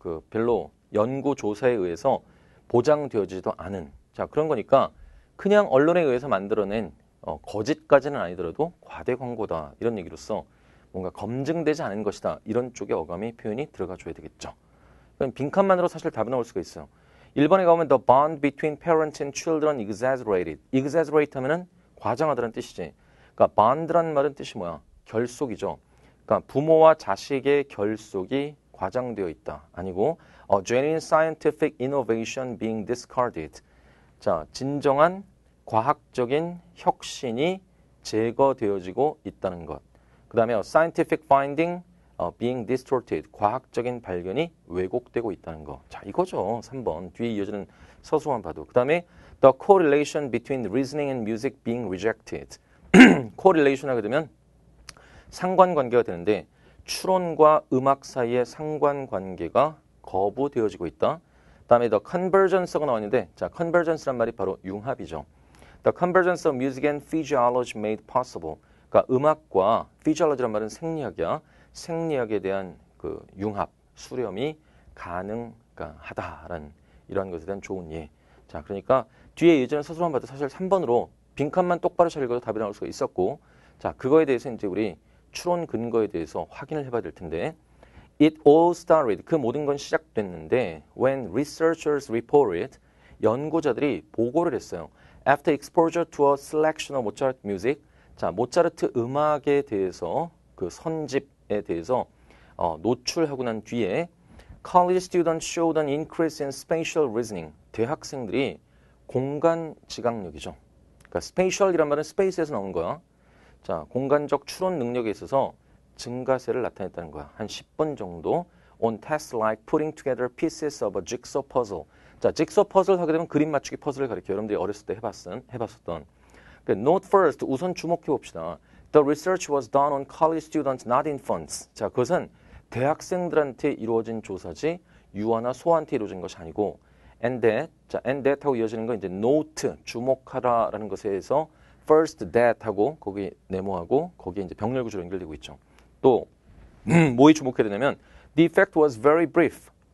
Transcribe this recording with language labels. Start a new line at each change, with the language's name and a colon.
Korean: 별로 연구조사에 의해서 보장되어지지도 않은, 자, 그런 거니까 그냥 언론에 의해서 만들어낸 거짓까지는 아니더라도 과대 광고다, 이런 얘기로서 뭔가 검증되지 않은 것이다, 이런 쪽의 어감의 표현이 들어가 줘야 되겠죠. 그럼 빈칸만으로 사실 답이 나올 수가 있어요. 1번에 가면
English: The bond between parents and children exaggerated.
Korean: Exaggerate 하면은 과장하다는 뜻이지. 그러니까 bond란 말은 뜻이 뭐야? 결속이죠. 그러니까 부모와 자식의 결속이 과장되어 있다. 아니고
English: A genuine scientific innovation being discarded.
Korean: 자, 진정한 과학적인 혁신이 제거되어지고 있다는 것. 그 다음에
English: scientific finding being distorted.
Korean: 과학적인 발견이 왜곡되고 있다는 것. 자, 이거죠. 3번. 뒤에 이어지는 서술만 봐도. 그 다음에
English: the correlation between reasoning and music being rejected.
Korean: correlation 하게 되면 상관관계가 되는데, 추론과 음악 사이의 상관관계가 거부되어지고 있다. 다음에 the convergence가 나왔는데, 자, convergence란 말이 바로 융합이죠.
English: The convergence of music and physiology made possible.
Korean: 그러니까 음악과 physiology란 말은 생리학이야. 생리학에 대한 그 융합, 수렴이 가능하다라는 이러한 것에 대한 좋은 예. 자, 그러니까 뒤에 예전에 서술만 봐도 사실 3번으로 빈칸만 똑바로 잘 읽어도 답이 나올 수가 있었고, 자, 그거에 대해서 이제 우리 추론 근거에 대해서 확인을 해봐야 될 텐데.
English: It all started,
Korean: 그 모든 건 시작됐는데,
English: when researchers reported,
Korean: 연구자들이 보고를 했어요.
English: After exposure to a selection of Mozart music,
Korean: 자, 모차르트 음악에 대해서, 그 선집에 대해서 노출하고 난 뒤에,
English: college students showed an increase in spatial reasoning.
Korean: 대학생들이 공간 지각력이죠. 그러니까 spatial이란 말은 space에서 나온 거야. 자, 공간적 추론 능력에 있어서 증가세를 나타냈다는 거야. 한 10분 정도.
English: On tasks like putting together pieces of a jigsaw puzzle.
Korean: 자, jigsaw puzzle 하게 되면 그림 맞추기 퍼즐을 가리켜요. 여러분들이 어렸을 때 해봤었던. 그
English: Note first,
Korean: 우선 주목해 봅시다.
English: The research was done on college students, not infants.
Korean: 자, 그것은 대학생들한테 이루어진 조사지, 유아나 소아한테 이루어진 것이 아니고.
English: And that,
Korean: 자, and that 하고 이어지는 건 이제 note, 주목하라라는 것에 의해서 first that 하고 거기 네모하고 거기에 이제 병렬구조로 연결되고 있죠. 또 뭐에 주목해야 되냐면,
English: the effect was very brief.